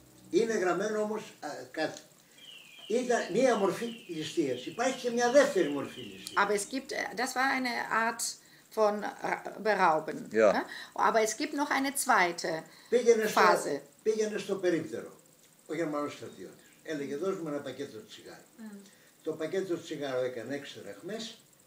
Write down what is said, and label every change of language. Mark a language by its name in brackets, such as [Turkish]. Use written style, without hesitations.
[Greek] Είναι γραμμένο όμως κάτι. Ήταν μία μορφή ληστείας. Υπάρχει και μία δεύτερη μορφή ληστείας. [German] Aber es gibt, das war eine Art von Berauben. Ja. Aber es gibt noch eine zweite Phase. [Greek] Πήγαινε στο περίπτερο, ο Γερμανός στρατιώτης. Έλεγε, δώσ' μου ένα πακέτο τσιγάρο. Το πακέτο τσιγάρο έκανε 6 δραχμές.